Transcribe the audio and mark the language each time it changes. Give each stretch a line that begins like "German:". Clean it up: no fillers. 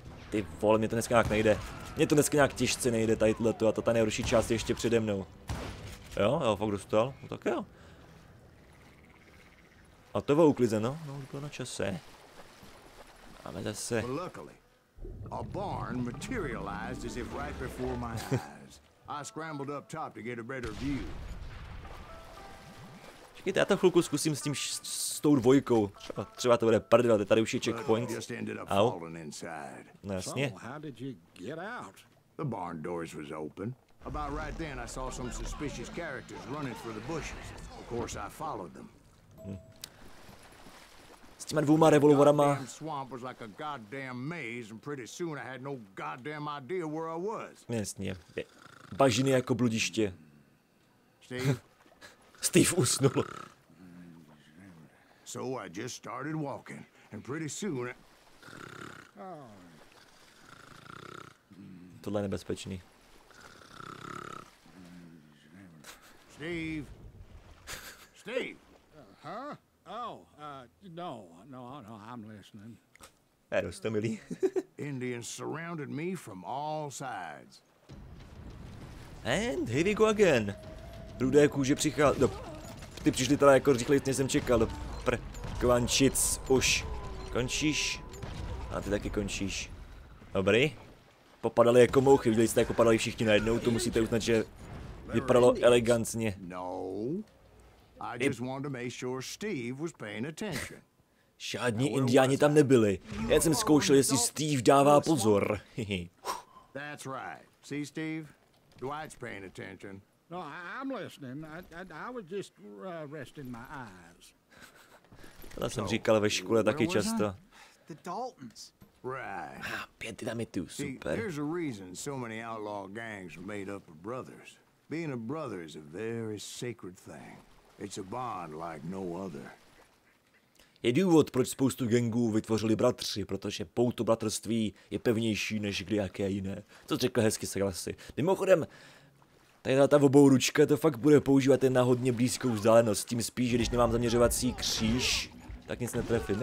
Czech: Ty vole, mě to dneska nějak nejde. Mně to dneska nějak těžce nejde tady tohleto a to ta nejhorší část je ještě přede mnou. Jo, fakt dostal? No tak jo. A to bylo uklizeno, no už bylo na čase. Ale zase.
English: A barn materialized as if right before my eyes. I scrambled up top to get a better view.
Czech: Čekajte, já to chvilku zkusím s tím s tou dvojkou. Třeba to bude prdel, tady už je checkpoint. Au. No jasně.
English: How did you get out? The barn doors was open. About right then I saw some suspicious characters running for the bushes. Of course I followed them.
Czech: S těma dvouma revolvorama.
English: Swamp was like a goddamn maze and pretty soon I had no goddamn idea where I was.
Czech: Jasně. Bažiny jako bludiště. Steve. Steve usnul.
English: So I just started walking and pretty soon
Czech: Tohle je nebezpečný. Steve. Steve. Ero, jste milý.
English: Indians surrounded me from all sides. And here we go again.
Czech: Rudé kůže přichází. No, ty přišli teda jako rychle, jak jsem čekal. Kvančic, už končíš. A ty taky končíš. Dobrý. Popadali jako mouchy, viděli jste, jak popadali všichni najednou. To musíte uznat, že vypadalo elegantně. No.
English: I just wanted to make sure Steve was paying attention.
Czech: Žádní Indiáni tam nebyli. Já jsem zkoušel, jestli Steve dává pozor.
English: That's right. See, Steve? Dwight's paying attention. No, I'm listening. I was just resting my eyes.
Czech: To jsem říkal ve škole taky často.
English: The Daltons. Right.
Czech: Pět dynamitů, super.
English: There's a reason so many outlaw gangs are made up of brothers. Being a brother is a very sacred thing. It's a bond like no other.
Czech: Je důvod, proč spoustu gangů vytvořili bratři, protože pouto bratrství je pevnější než kdyjaké jiné. Co řekl hezky Sagasy. Mimochodem, tady ta obou ručka to fakt bude používat jen na hodně blízkou vzdálenost. Tím spíš, že když nemám zaměřovací kříž, tak nic netrefím.